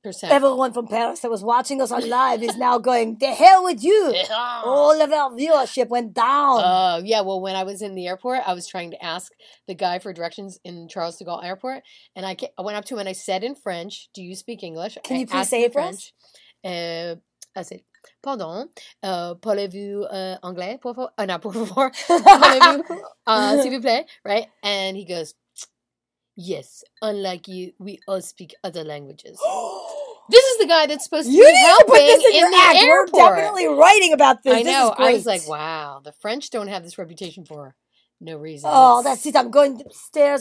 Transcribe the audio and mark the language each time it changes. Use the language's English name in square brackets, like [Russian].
[English] Everyone from Paris that was watching us on live is now going, the hell with you. All of our viewership went down. Well, when I was in the airport, I was trying to ask the guy for directions in Charles de Gaulle Airport. And I went up to him and I said in French, do you speak English? Can you please say it in French? I said, [French] pardon, parlez-vous anglais, pour favor? Non, pour favor. Parlez-vous, s'il vous plaît, right? [English] And he goes, yes, unlike you, we all speak other languages. This is the guy that's supposed to be helping in the airport. We're definitely writing about this. I know. This is great. I was like, wow, the French don't have this reputation for no reason. Oh, that's it. I'm going upstairs.